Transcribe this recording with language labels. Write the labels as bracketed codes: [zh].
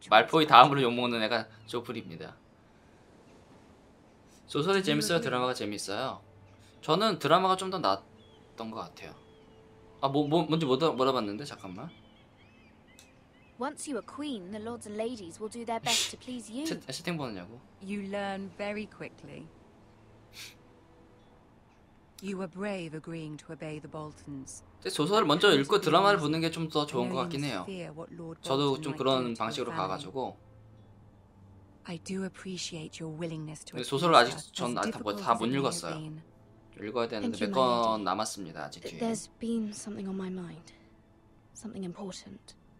[ko] 말포이 다음으로 욕먹는 애가 조프리입니다. 소설이 재밌어요? 드라마가 재밌어요? 저는 드라마가 좀 더 낫던 것 같아요. 아 뭔지 물어봤는데 잠깐만. [en] Once you are queen, the lords and ladies will do their best to please you. [ko] 채팅 보느냐고? [en] You learn very quickly. You were brave agreeing to obey the Boltons. [ko] 소설을 먼저 읽고 드라마를 보는 게 좀 더 좋은 것 같긴 해요. 저도 좀 그런 방식으로 가가지고 [en] I do appreciate your willingness to. [ko] 소설을 아직 전 다 못 읽었어요. 읽어야 되는데 몇 권 남았습니다. 아직. [en] There's been something on my mind. Something important.